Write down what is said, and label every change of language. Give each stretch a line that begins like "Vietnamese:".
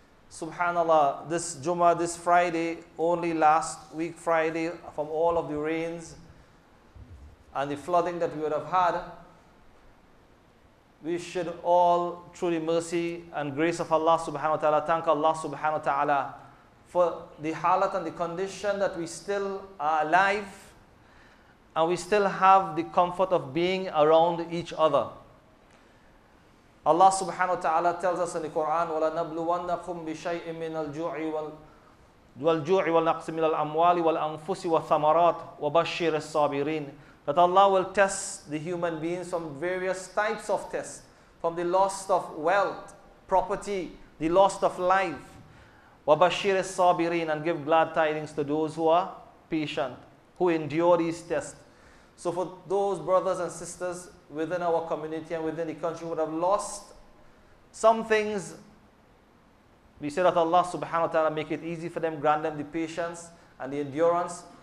English: Subhanallah, this Jum'ah, this Friday, only last week Friday, from all of the rains and the flooding that we would have had, we should all, through the mercy and grace of Allah subhanahu wa ta'ala, thank Allah subhanahu wa ta'ala for the halat and the condition that we still are alive and we still have the comfort of being around each other. Allah subhanahu wa ta'ala tells us in the Quran,
Arabic: وَلَنَبْلُوَنَّكُمْ بِشَيْءٍ مِّنَ الْجُوعِ وَالْجُوعِ وَالنَّقْسِ مِنَ الْأَمْوَالِ وَالْأَنفُسِ وَالثَّمَرَاتِ وَبَشِّرِ الصَّابِرِينَ.
English: That Allah will test the human beings from various types of tests, from the loss of wealth, property, the loss of life.
Arabic: وَبَشِّرِ الصَّابِرِينَ,
English: and give glad tidings to those who are patient, who endure these tests. So for those brothers and sisters within our community and within the country who would have lost some things, we say that Allah subhanahu wa ta'ala make it easy for them, grant them the patience and the endurance.